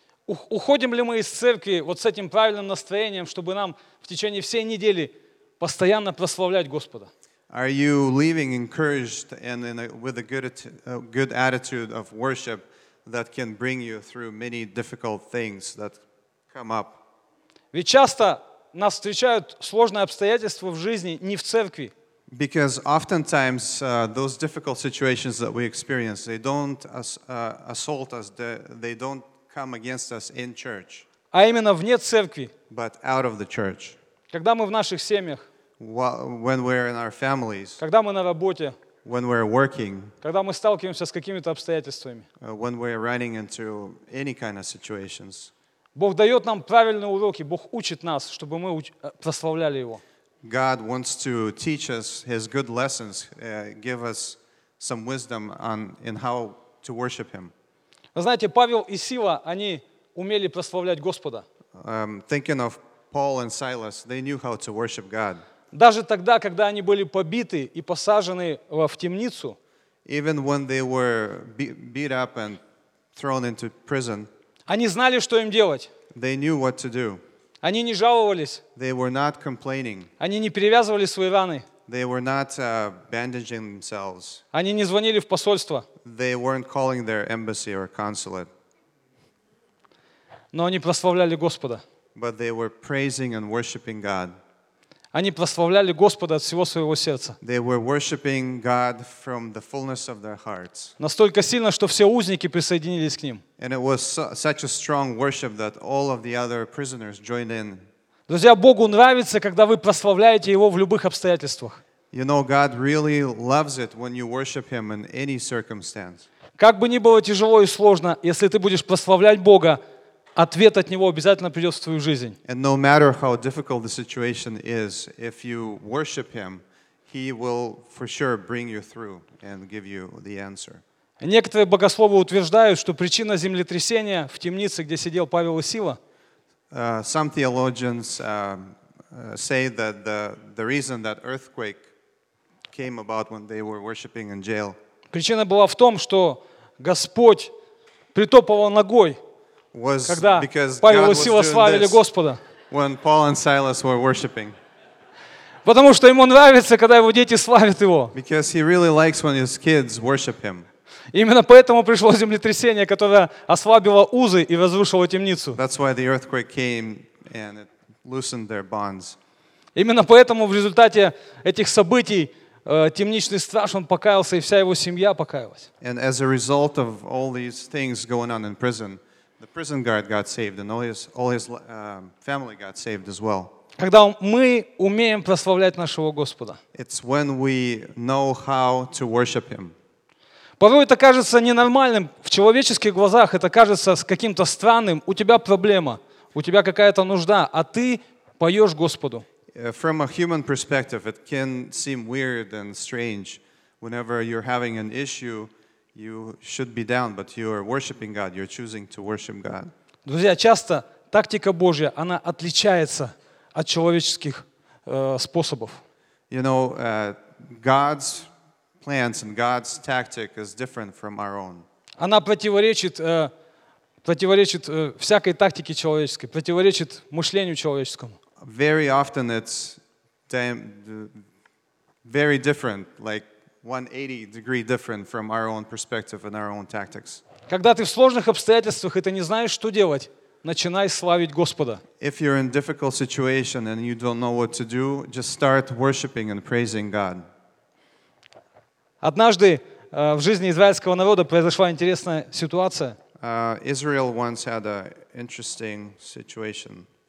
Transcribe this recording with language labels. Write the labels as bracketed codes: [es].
[ru] Уходим ли мы из церкви вот с этим правильным настроением, чтобы нам в течение всей недели постоянно прославлять Господа? [en] Are you leaving encouraged and with a good attitude of worship that can bring you through many difficult things that come up? [ru] Ведь часто нас встречают сложные обстоятельства в жизни не в церкви. [en] Because oftentimes those difficult situations that we experience, they don't assault us, they don't come against us in church. [ru] А именно вне церкви. [en] But out of the church. [ru] Когда мы в наших семьях. [en] When we're in our families. [ru] Когда мы на работе. [en] When we're working. [ru] Когда мы сталкиваемся с какими-то обстоятельствами. [en] When we're running into any kind of situations. [ru] Бог дает нам правильные уроки, Бог учит нас, чтобы мы прославляли Его. [en] God wants to teach us His good lessons, give us some wisdom on in how to worship Him. [ru] Вы знаете, Павел и Сила, они умели прославлять Господа. [en] Thinking of Paul and Silas, they knew how to worship God. [ru] Даже тогда, когда они были побиты и посажены в темницу, [en] even when they were beat up and thrown into prison, [ru] они знали, что им делать. [en] They knew what to do. [ru] Они не жаловались. [en] They were not complaining. [ru] Они не перевязывали свои раны. [en] They were not bandaging themselves. [ru] Они не звонили в посольство. [en] They weren't calling their embassy or consulate. [ru] Но они прославляли Господа. [en] But they were praising and worshiping God. [ru] Они прославляли Господа от всего своего сердца. [en] They were worshiping God from the fullness of their hearts. [ru] Настолько сильно, что все узники присоединились к ним. [en] And it was such a strong worship that all of the other prisoners joined in. [ru] Друзья, Богу нравится, когда вы прославляете Его в любых обстоятельствах. [en] You know, God really loves it when you worship Him in any circumstance. [ru] Как бы ни было тяжело и сложно, если ты будешь прославлять Бога, ответ от Него обязательно придет в твою жизнь. [en] And no matter how difficult the situation is, if you worship Him, He will for sure bring you through and give you the answer. [ru] Некоторые богословы утверждают, что причина землетрясения в темнице, где сидел Павел и Сила, [en] some theologians say that the reason that earthquake came about when they were worshiping in jail, [ru] причина была в том, что Господь притопывал ногой, [en] was [ru] когда [en] because [ru] Павел [en] God [ru] и Сила славили Господа. [en] When Paul and Silas were worshiping. [ru] Потому что ему нравится, когда его дети славят его. [en] Because he really likes when his kids worship him. [ru] Именно поэтому пришло землетрясение, которое ослабило узы и разрушило темницу. [en] That's why the earthquake came and it loosened their bonds. [ru] Именно поэтому в результате этих событий темничный страж, он покаялся, и вся его семья покаялась. [en] And as a result of all these things going on in prison, the prison guard got saved, and all his family got saved as well. [ru] Когда мы умеем прославлять нашего Господа. [en] It's when we know how to worship Him. [ru] Порой это кажется ненормальным в человеческих глазах. Это кажется каким-то странным. У тебя проблема, у тебя какая-то нужда, а ты поешь Господу. [en] From a human perspective, it can seem weird and strange. Whenever you're having an issue, you should be down, but you are worshiping God. You're choosing to worship God. [ru] Друзья, часто тактика Божья, она отличается от человеческих способов. [en] You know, God's plans and God's tactic is different from our own. [ru] Она противоречит всякой тактике человеческой, противоречит мышлению человеческому. [en] Very often it's very different, like 180 degree different from our own perspective and our own tactics. [ru] Когда ты в сложных обстоятельствах и ты не знаешь, что делать, начинай славить Господа. [en] If you're in a difficult situation and you don't know what to do, just start worshiping and praising God. [ru] Однажды в жизни израильского народа произошла интересная ситуация. [en] Israel once had an interesting situation.